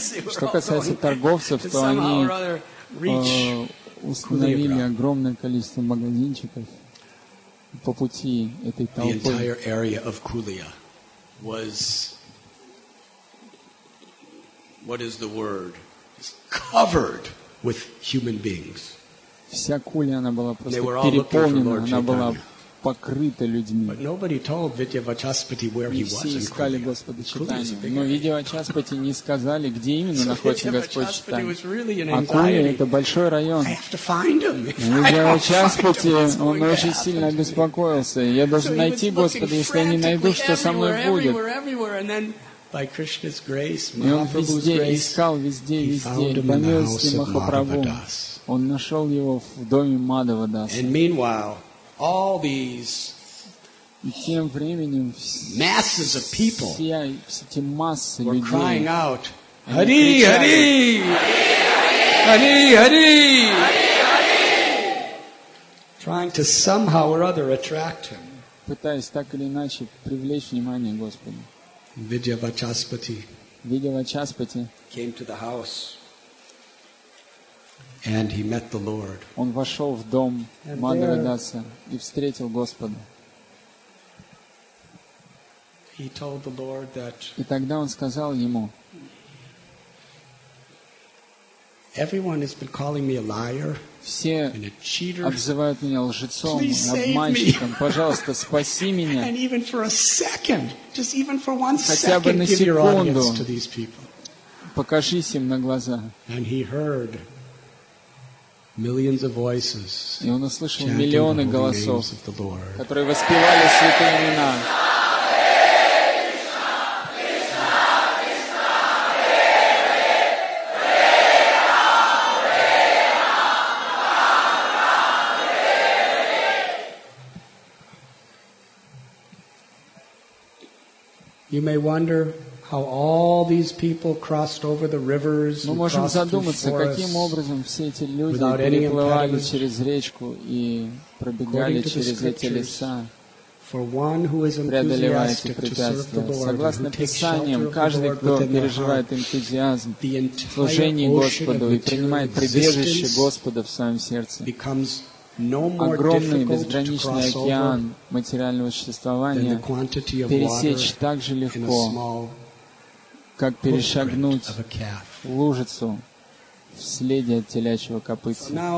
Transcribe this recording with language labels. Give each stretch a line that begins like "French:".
Russian: Что касается торговцев, то они установили огромное количество магазинчиков по пути этой толпы.
English: The entire area of Kulia was, what is the word? It's covered with human beings.
Russian: Вся Кулия, она была просто переполнена, она была покрыта людьми.
English: But nobody told Vidyavachaspati where he was.
Russian: Все искали Господа Чайтанью, но Vidyavachaspati не сказали, где именно находится Господь Чайтанью. А Кулия — это большой район. Vidyavachaspati, он очень сильно обеспокоился. Я должен найти Господа, если я не найду, что со мной будет.
English: By Krishna's grace,
Russian: и он везде искал, везде, по милости Махапрабху. Он нашел его в доме Мадхавадаса.
English: And meanwhile, all these masses of people were crying out, Hari, Hari! Hari, Hari! Trying to somehow or other attract him.
Russian: Пытаясь так или иначе привлечь внимание Господа.
English: Vidyavachaspati came to the house and he met the Lord.
Russian: Он вошел в дом Мадхавадаса и встретил Господа.
English: He told the Lord that.
Russian: И тогда он сказал ему:
English: Everyone has been calling me a liar.
Russian: Все обзывают меня лжецом, обманщиком. Пожалуйста, спаси меня.
English: And even for a second, just even for one second,
Russian: хотя бы на секунду,
English: give your audience to these people.
Russian: Покажись им на глаза.
English: And he heard millions of voices.
Russian: И он услышал миллионы голосов, которые воспевали святые имена.
English: You may wonder how all these people crossed over the rivers and crossed through forests.
Russian: Мы можем задуматься, каким образом все эти люди переплывали через речку и пробегали через эти леса, преодолевая эти препятствия. Согласно Писаниям, каждый, кто переживает энтузиазм в служении Господу и принимает прибежище Господа в своем сердце, огромный безграничный океан материального существования пересечь так же легко, как перешагнуть лужицу в следе от телячьего копытца.